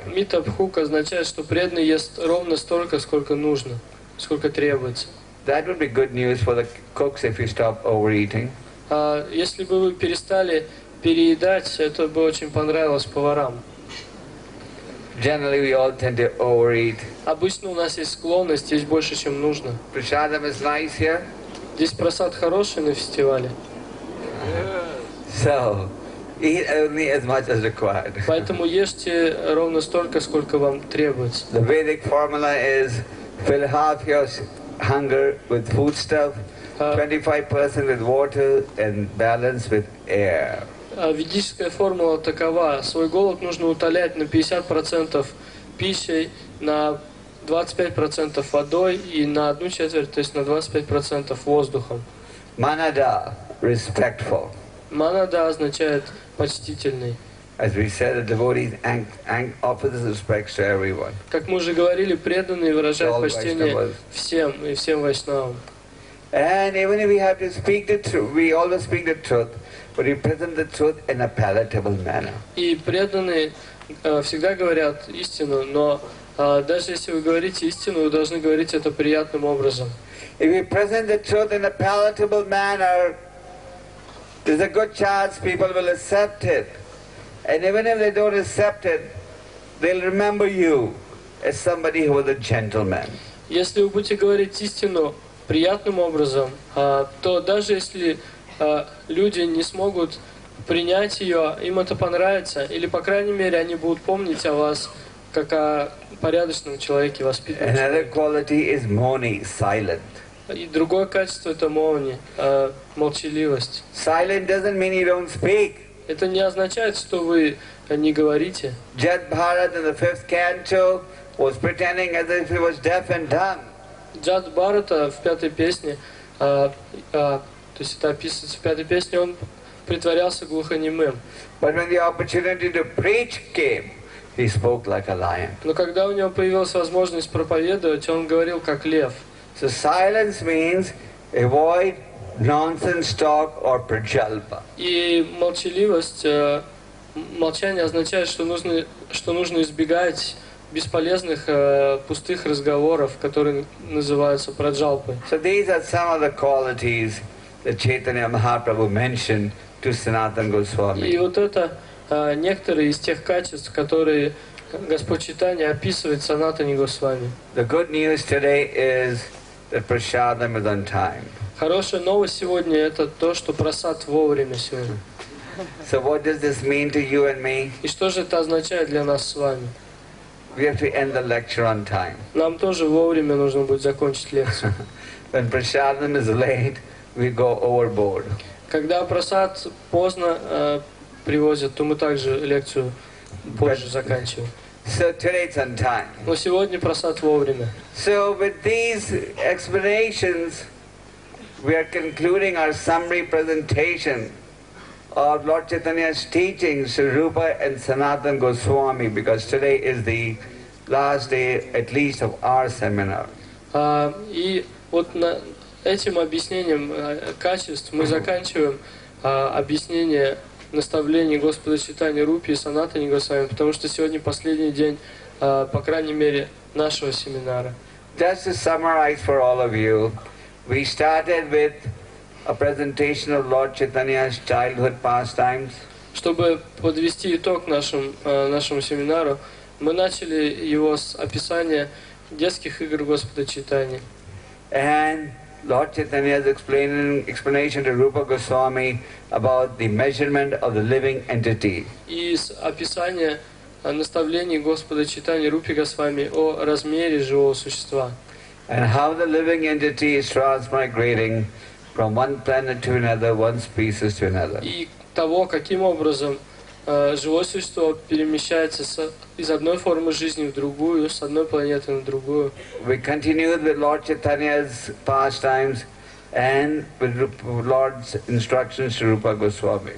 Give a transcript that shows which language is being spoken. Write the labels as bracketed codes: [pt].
[ru] Mitabhuk означает, что преданный ест ровно столько, сколько нужно, сколько требуется. [en] That would be good news for the cooks if you stop overeating. [ru] Если бы вы перестали переедать, это бы очень понравилось поварам. [en] Generally, we all tend to overeat. [ru] Обычно у нас есть склонность есть больше, чем нужно. [en] Prasadam is nice here. [ru] Здесь просад хороший на фестивале. [en] So, eat only as much as required. [ru] Поэтому ешьте ровно столько, сколько вам требуется. [en] The Vedic formula is fill half your hunger with foodstuff, 25% with water, and balance with air. [ru] Ведическая формула такова. Свой голод нужно утолять на 50% пищей, на 25% водой и на 1/4, то есть на 25% воздухом. [en] Manada, respectful. [ru] Manada означает почтительный. [en] As we said, the devotee offers respects to everyone. [ru] Как мы уже говорили, преданный выражает почтение всем и всем вайшнавам. [en] And even if we have to speak the truth, we always speak the truth. But you present the truth in a palatable manner. [ru] И преданные всегда говорят истину, но даже если вы говорите истину, вы должны говорить это приятным образом. [en] If you present the truth in a palatable manner, there's a good chance people will accept it. And even if they don't accept it, they'll remember you as somebody who was a gentleman. [ru] Если вы будете говорить истину приятным образом, то даже если люди не смогут принять ее, им это понравится, или, по крайней мере, они будут помнить о вас как о порядочном человеке, воспитанном. [en] Another quality is mouni, silent. [ru] И другое качество — это мауни, молчаливость. [en] Silent doesn't mean you don't speak. [ru] Это не означает, что вы не говорите. [en] Jet Bharat in the fifth canto was pretending as if he was deaf and dumb. [ru] Jet Bharat в пятой песне, то есть это описывается в пятой песне, он притворялся глухонемым. [en] But when the opportunity to preach came, he spoke like a lion. [ru] Но когда у него появилась возможность проповедовать, он говорил как лев. [en] So silence means avoid nonsense talk or prajalpa. [ru] И молчание означает, что нужно избегать бесполезных пустых разговоров, которые называются праджалпы. [en] So these are some of the qualities that Chaitanya Mahaprabhu mentioned to Sanatana Goswami. [ru] И вот это некоторые из тех качеств, которые Господь Чайтанья описывает Санатане Госвами. [en] The good news today is that prasadam is on time. [ru] Хорошая новость сегодня — это то, что просад вовремя сегодня. [en] So what does this mean to you and me? [ru] И что же это означает для нас с вами? [en] We have to end the lecture on time. [ru] Нам тоже вовремя нужно будет закончить лекцию. [en] When prasadam is late, we go overboard. [ru] Когда просад поздно привозят, то мы также лекцию позже заканчиваем. [en] So today it's on time. [ru] Но сегодня просад вовремя. [en] So with these explanations, we are concluding our summary presentation of Lord Chaitanya's teachings to Rupa and Sanatana Goswami, because today is the last day, at least, of our seminar. [ru] И вот этим объяснением качеств мы заканчиваем объяснение наставления Господа Чайтаньи Рупи и Санатаны Госвами, потому что сегодня последний день, по крайней мере, нашего семинара. [en] Just to summarize for all of you, we started with a presentation of Lord Chaitanya's childhood pastimes. [ru] Чтобы подвести итог нашему семинару, мы начали его с описания детских игр Господа Чайтаньи. [en] And Lord Chaitanya's explanation to Rupa Goswami about the measurement of the living entity. [ru] И описание наставлений Господа Чайтаньи Рупи Госвами о размере живого существа. [en] And how the living entity is transmigrating from one planet to another, one species to another. [ru] И того, каким образом живое существо перемещается из одной формы жизни в другую, с одной планеты на другую. [en] We continued with Lord Chaitanya's pastimes and with Lord's instructions to Rupa Goswami.